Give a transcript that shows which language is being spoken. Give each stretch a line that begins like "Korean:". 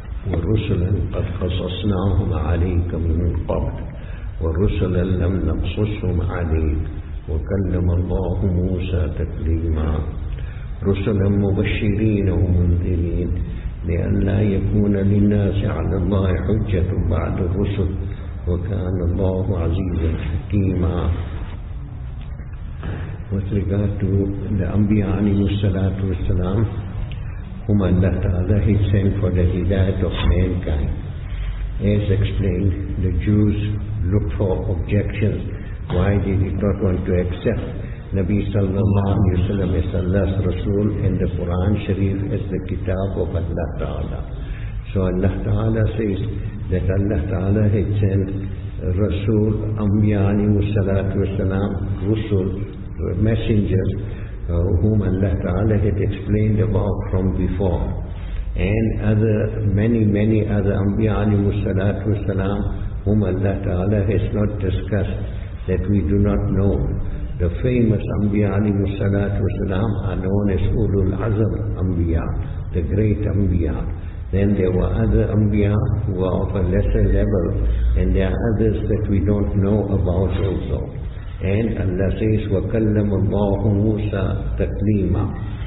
Arabic: ورسلا قد قصصناهم عليك من قبل ورسلا لم نقصصهم عليك، وكلم الله موسى تكليما، رسلا مبشرين ومنذرين لئلا يكون للناس على الله حجة بعد الرسل، وكان الله عزيزا حكيما.
English: With regard to the Anbiya alayhi salatu wasalam, whom Allah Ta'ala He sent for the hidayat of mankind. As explained, the Jews looked for objections. Why they did not want to accept Nabi sallallahu alayhi wa sallam as Allah's Rasul and the Quran Sharif as the Kitab of Allah Ta'ala. So Allah Ta'ala says that Allah Ta'ala had sent Rasul, Anbiya alayhi salatu wasalam, Rasul, messengers whom Allah Ta'ala had explained about from before, and other many other Anbiya alayhi salatu wasalam whom Allah Ta'ala has not discussed that we do not know. The famous Anbiya alayhi salatu wasalam are known as Ulul Azam Anbiya, the great Anbiya. Then there were other Anbiya who are of a lesser level, and there are others that we don't know about also. And Allah says,
Arabic: وَكَلَّمَ اللَّهُ مُوسَى تَكْلِيمًا.